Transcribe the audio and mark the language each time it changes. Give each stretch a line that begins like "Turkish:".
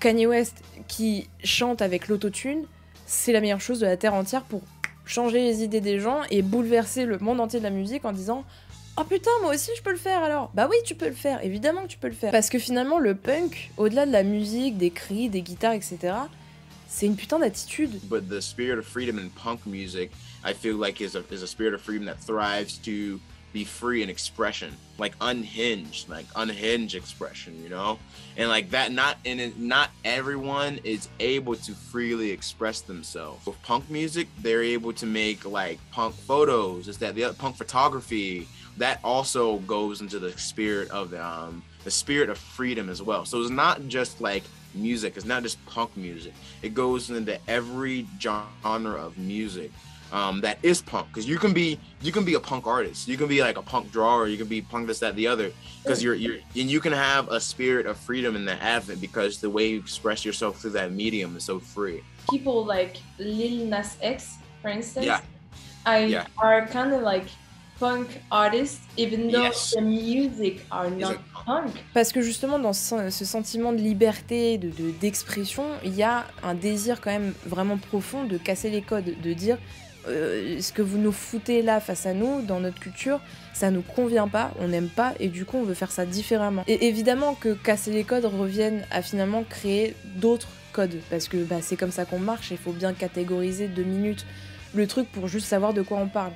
French: Kanye West qui chante avec l'autotune, c'est la meilleure chose de la terre entière pour changer les idées des gens et bouleverser le monde entier de la musique en disant « Oh putain, moi aussi je peux le faire alors !» Bah oui, tu peux le faire, évidemment que tu peux le faire. Parce que finalement, le punk, au-delà de la musique, des cris, des guitares, etc., c'est une putain d'attitude.
English: But the spirit of freedom in punk music, I feel like is a spirit of freedom that thrives to be free in expression, like unhinged expression, you know? And like that, not everyone is able to freely express themselves. With punk music, they're able to make like punk photos, is that the punk photography, that also goes into the spirit of freedom as well. So it's not just like music, it's not just punk music. It goes into every genre of music. That is punk, because you can be a punk artist, you can be like a punk drawer, you can be punk this, that, the other, because you're and you can have a spirit of freedom in the advent, because the way you express yourself through that medium is so free. People like Lil Nas X, for instance, are kind of like punk artists, even though the music are not punk.
French: Parce que justement, dans ce sentiment de liberté, d'expression, il y a un désir quand même vraiment profond de casser les codes, de dire ce que vous nous foutez là face à nous, dans notre culture, ça nous convient pas, on n'aime pas, et du coup on veut faire ça différemment. Et évidemment que casser les codes revienne à finalement créer d'autres codes, parce que bah, c'est comme ça qu'on marche, il faut bien catégoriser deux minutes le truc pour juste savoir de quoi on parle.